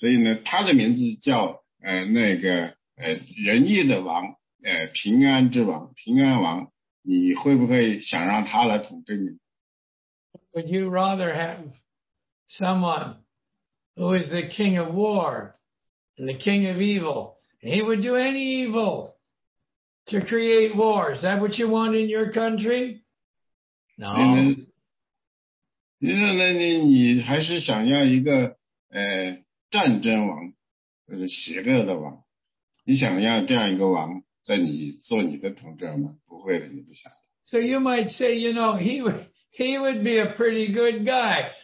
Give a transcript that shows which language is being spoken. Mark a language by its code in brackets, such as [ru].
[zh] 如果有一个人呢，在加拿大或者在世界上其他地方，他要竞选做当地的领导人，所以呢，他的名字叫那个。仁义的王，平安之王，平安王，你会不会想让他来统治你？ [en] Would you rather have someone who is the king of war and the king of evil? He would do any evil to create war. Is that what you want in your country? No. [zh] 那你还是想要一个战争王，或者邪恶的王。你想要这样一个王在你做你的统治吗？不会的，你不想。 [en] So you might say, you know, he would be a pretty good guy.